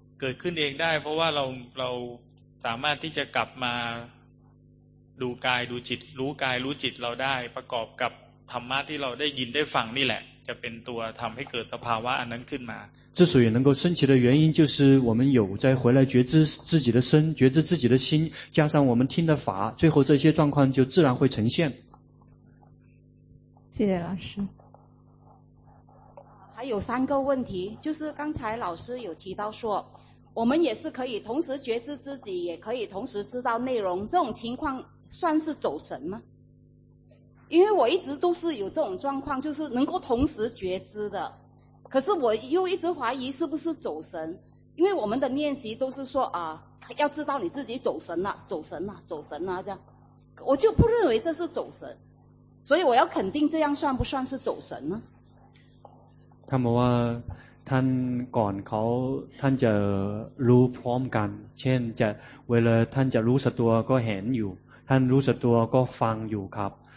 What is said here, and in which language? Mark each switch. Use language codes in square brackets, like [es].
[th] เกิดขึ้นเองได้เพราะว่าเราสามารถที่จะกลับมาดูกายดูจิตรู้กายรู้จิตเราได้ประกอบกับธรรมะที่เราได้ยินได้ฟังนี่แหละจะเป็นตัวทำให้เกิดสภาวะอันนั้นขึ้นมา [zh] 之所以能够升起的原因，就是我们有再回来觉知自己的身，觉知自己的心，加上我们听的法，最后这些状况就自然会呈现。谢谢老师。还有三个问题，就是刚才老师有提到说，我们也是可以同时觉知自己，也可以同时知道内容，这种情况算是走神吗？因为我一直都是有这种状况，就是能够同时觉知的，可是我又一直怀疑是不是走神，因为我们的练习都是说啊，要知道你自己走神了，走神了，走神了，这样，我就不认为这是走神。所以我要肯定这样算不算是走神呢他们说他们说他们就 [th] รู้พร้อมกัน [zh] 前就为了他们就 [th] รู้สึกตัวก็เห็นอยู่ [zh] 他们 [th] รู้สึกตัวก็ฟังอยู่ครับ